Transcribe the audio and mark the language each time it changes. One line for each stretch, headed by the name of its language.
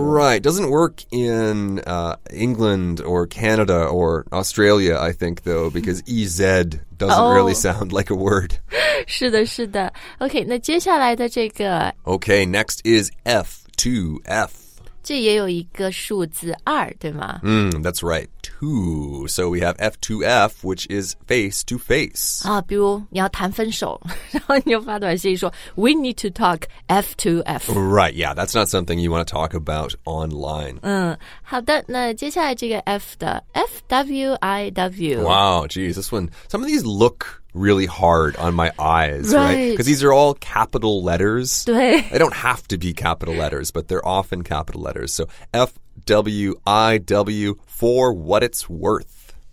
English: Right, doesn't work in England or Canada or Australia, I think, though, because EZ doesn't really sound like a word.
Chinese: 是的是的。
English: Okay,
Chinese: 那接下来的这个。
English: Okay, next is F, 2F.
Chinese: 这也有一个数字二，对吗？嗯，
English: That's right, two. So we have F to F, which is face to face.
Chinese: 啊，比如你要谈分手，然后你就发短信说 ,
English: We need to talk F to F. Right, yeah, that's not something you want to talk about online.
Chinese: 嗯，好的，那接下来这个 F 的 FWIW.
English: Wow, geez, this one, some of these look... really hard on my eyes, right? Because these are all capital letters.
Chinese: 对
English: They don't have to be capital letters, but they're often capital letters. So FWIW, for what it's worth.